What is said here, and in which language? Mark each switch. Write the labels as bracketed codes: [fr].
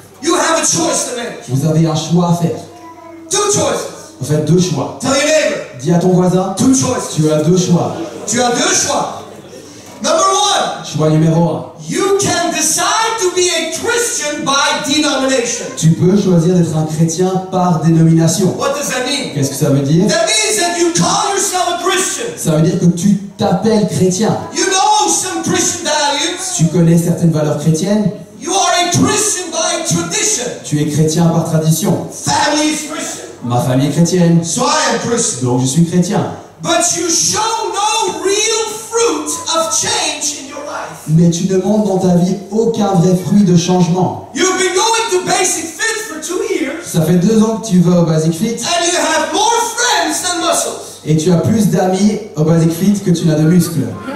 [en] you have a choice to make. [fr] Vous avez un choix à faire. [en] Two choices. [fr] En fait, deux choix. [en] Tell your neighbor. [fr] Dis à ton voisin. [en] Two choices. [fr] Tu as deux choix. Tu as deux choix. [en] Number one. [fr] Choix numéro un. [en] You can decide to be a Christian by denomination. [fr] Tu peux choisir d'être un chrétien par dénomination. [en] What does that mean? [fr] Qu'est-ce que ça veut dire? [en] That means that you call yourself a Christian. [fr] Ça veut dire que tu t'appelles chrétien. [en] You know some Christian values. [fr] Tu connais certaines valeurs chrétiennes. [en] You are a Christian by tradition. [fr] Tu es chrétien par tradition. [en] Family is Christian. [fr] Ma famille est chrétienne. [en] So I am Christian. [fr] Donc je suis chrétien. [en] But you show no real fruit of change in your life. [fr] Mais tu ne montres dans ta vie aucun vrai fruit de changement. [en] You've been going to basic fit for 2 years. [fr] Ça fait 2 ans que tu vas au basic fit. [en] And you have more friends than muscles. [fr] Et tu as plus d'amis au basic fit que tu n'as de muscles.